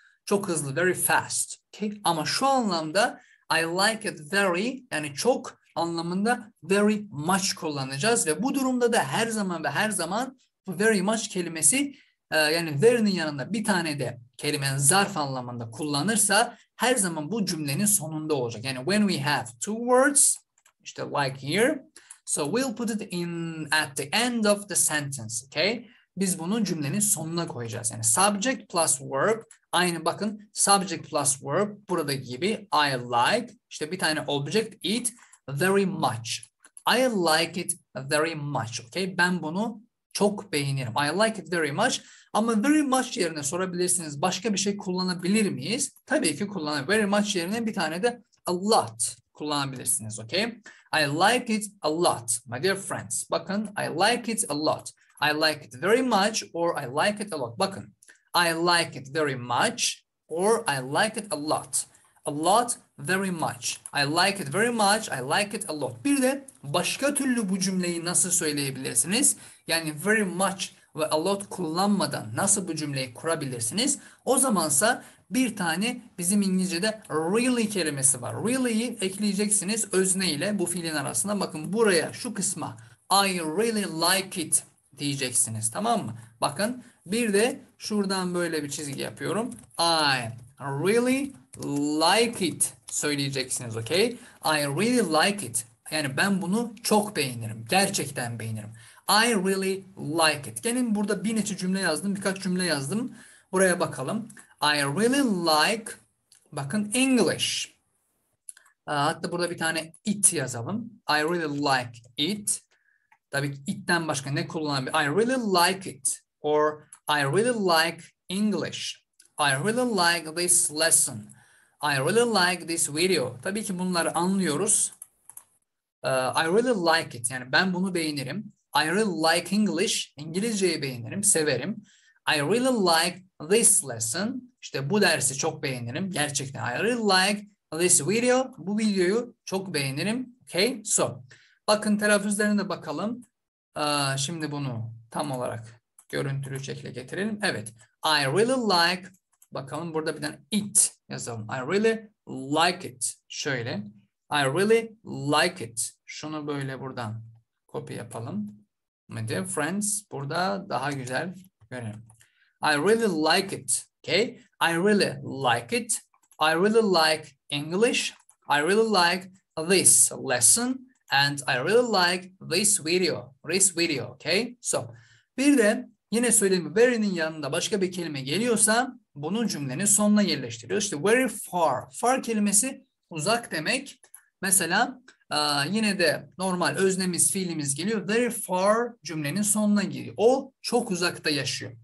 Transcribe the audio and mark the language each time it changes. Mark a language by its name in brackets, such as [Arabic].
[Turkish] Çok hızlı, very fast. Okay? Ama şu anlamda [English] I like it very, [Turkish] yani çok anlamında very much kullanacağız ve bu durumda da her zaman ve her zaman bu very much kelimesi, yani very'nin yanında bir tane de kelime zarf anlamında kullanırsa her zaman bu cümlenin sonunda olacak. [English] Yani when we have two words işte like here, so we'll put it in at the end of the sentence. Okay? [Turkish] Biz bunu cümlenin sonuna koyacağız. [English] Yani subject plus verb, [Turkish] aynı bakın [English] subject plus verb [Turkish] burada gibi [English] I like [Turkish] işte bir tane [English] object it very much. I like it very much. Okay? [Turkish] Ben bunu çok beğenirim. [English] I like it very much. [Turkish] Ama very much yerine sorabilirsiniz. Başka bir şey kullanabilir miyiz? Tabii ki kullanabilir. Very much yerine bir tane de a lot kullanabilirsiniz. [English] Okay? I like it a lot, my dear friends. Bakın, I like it a lot. I like it very much or I like it a lot. Bakın, I like it very much or I like it a lot. A lot, very much. I like it very much. I like it a lot. [Turkish] Bir de başka türlü bu cümleyi nasıl söyleyebilirsiniz? Yani very much ve a lot kullanmadan nasıl bu cümleyi kurabilirsiniz? O zamansa bir tane bizim İngilizce'de really kelimesi var. Really'yi ekleyeceksiniz özne ile bu fiilin arasında. Bakın buraya şu kısma [English] I really like it [Turkish] diyeceksiniz, tamam mı? Bakın bir de şuradan böyle bir çizgi yapıyorum. [English] I really like it söyleyeceksiniz, okay? I really like it. [Turkish] Yani ben bunu çok beğenirim. Gerçekten beğenirim. [English] I really like it. [Turkish] Gelin burada bir neçe cümle yazdım, birkaç cümle yazdım. Buraya bakalım. [English] I really like, bakın, English. [Turkish] Hatta burada bir tane it yazalım. [English] I really like it. [Turkish] Tabii ki it'ten başka ne kullanabilir? [English] I really like it. Or I really like English. I really like this lesson. I really like this video. [Turkish] Tabii ki bunları anlıyoruz. [English] I really like it. [Turkish] Yani ben bunu beğenirim. [English] I really like English. [Turkish] İngilizceyi beğenirim, severim. [English] I really like this lesson. [Turkish] İşte bu dersi çok beğenirim. Gerçekten. [English] I really like this video. [Turkish] Bu videoyu çok beğenirim. Okay, so. Bakın telaffuzlarına bakalım. Şimdi bunu tam olarak görüntülü şekle getirelim. Evet. [English] I really like. [Turkish] Bakalım burada bir tane it yazalım. [English] I really like it. Şöyle. I really like it. [Turkish] Şunu böyle buradan kopya yapalım. [English] My dear friends, [Turkish] burada daha güzel görelim. [English] I really like it. Okay. I really like it. I really like English. I really like this lesson. And I really like this video. This video. Okay. [Turkish] So, bir de yine söylediğim very'nin yanında başka bir kelime geliyorsa bunu cümlenin sonuna yerleştiriyoruz. İşte very far. Far kelimesi uzak demek. Mesela yine de normal öznemiz, fiilimiz geliyor. Very far cümlenin sonuna geliyor. O çok uzakta yaşıyor.